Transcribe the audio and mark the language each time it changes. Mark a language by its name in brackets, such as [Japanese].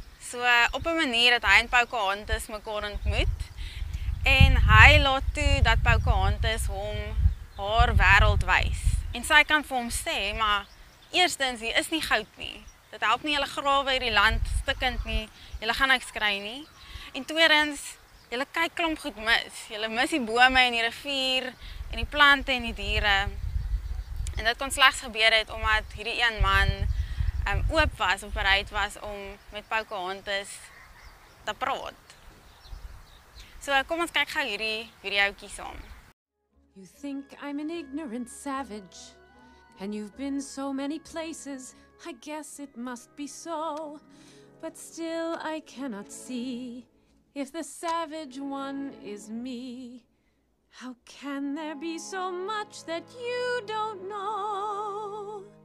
[Afrikaans] So op 'n manier dat hy en Pocahontas mekaar ontmoet en hy laat toe dat Pocahontas hom haar wêreld wys. En sy kan vir hom sê, maar eerstens, hier is nie goud nie. Dit help nie julle grawe hierdie land stikkend nie. Julle gaan niks kry nie. En tweedens, julle kyk klomp goed mis. Julle mis die bome en die rivier en die plante en die diere. En dit kon slegs gebeur het omdat hierdie een man oop was of bereid was om met Pocahontas te praat. So kom ons kyk gou hierdie videoetjie saam. [English] You think I'm an ignorant savage, and you've been so many places, I guess it must be so, but still I cannot see if the savage one is me. How can there be so much that you don't know?